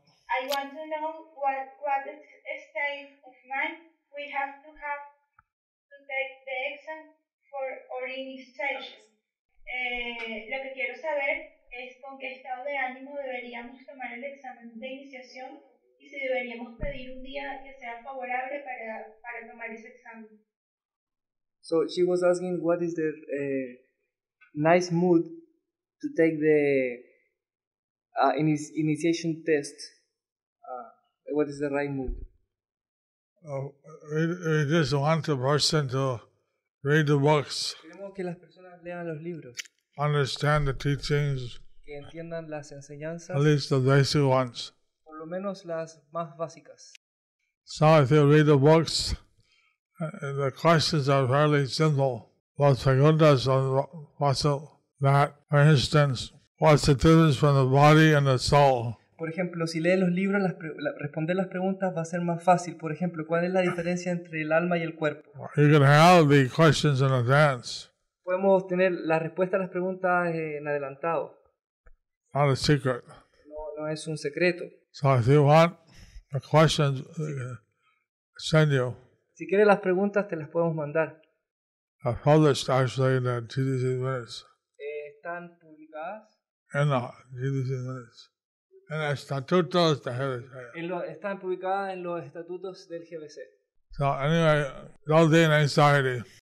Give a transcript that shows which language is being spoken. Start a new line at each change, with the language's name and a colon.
English: I want to know what state of mind we have to take the exam for our initiation.
Spanish: Lo que quiero saber es con qué estado de ánimo deberíamos tomar el examen de iniciación y si deberíamos pedir un día que sea favorable para tomar ese examen.
English: So she was asking what is the nice mood to take the initiation test. What is the right mood? We just want the person to read the books.
Spanish: Queremos que las personas lean los libros.
English: Understand the teachings.
Spanish: Que entiendan las enseñanzas.
English: At least the basic ones.
Spanish: Por lo menos las más básicas.
English: So if you read the books, the questions are fairly simple. Lord Sagunda's puzzle that, for instance, what's the difference from the body and the soul?
Spanish: Por ejemplo, si lee los libros, responder las preguntas va a ser más fácil. Por ejemplo, ¿cuál es la diferencia entre el alma y el cuerpo?
English: You can have the questions in advance.
Spanish: Podemos tener la respuesta a las preguntas en adelantado.
English: Not a secret.
Spanish: No es un secreto.
English: So if you want the questions, send you.
Spanish: Si quieres las preguntas, te las podemos mandar.
English: They're published actually in the GDC Minutes.
Spanish: Están publicadas. En los GDC Minutes. En los estatutos del GBC. Están publicadas en los estatutos del GBC.
English: So anyway, don't be in anxiety.